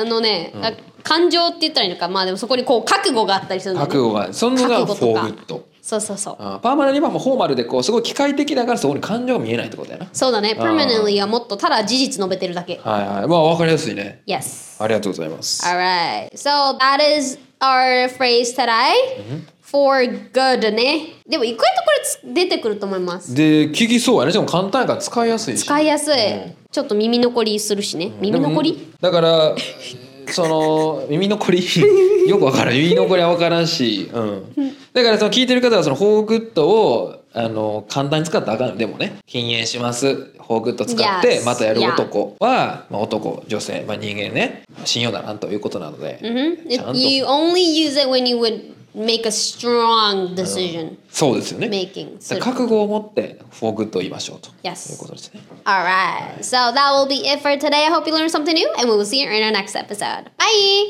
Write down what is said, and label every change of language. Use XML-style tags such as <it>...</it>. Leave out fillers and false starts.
<ja>あのね、うん、感情って言ったらいいのか、まあでもそこにこう、覚悟があったりするんだね。覚悟がある。そんなのが for good。そうそうそう、ああパーマネリーはもうフォーマルでこうすごい機械的だからそこに感情が見えないってことやな。そうだね、パーマネリーはもっとただ事実述べてるだけ。はいはい、まあ分かりやすいね。</ja> <en>Yes、</en> <ja>ありがとうございます。</ja> <en>Alright, so that is our phrase today、mm-hmm.</en> <ja>for good ね。でもいくらとこれ出てくると思います。で聞きそうやね、でも簡単やから使いやすいし、使いやすい、うん、ちょっと耳残りするしね、うん、耳残りだからその耳残りよく分からん、耳残りは分からんし、うんだからその聞いてる方はそのフォーグッドをあの簡単に使ったらあかん。でもね、禁煙します、フォーグッド使ってまたやる男は、まあ、男女性、まあ、人間ね、信用だなということなので、 mm-hmm.</ja> <en>You only use it when you would make a strong decision、</en> <ja>うん、そうですよね、</ja> <en>making.</en> <ja>覚悟を持ってフォーグッドを言いましょうということですね、</ja> <en>yes. Alright, so that will be it for today. I hope you learned something new and we will see you in our next episode. Bye!</en>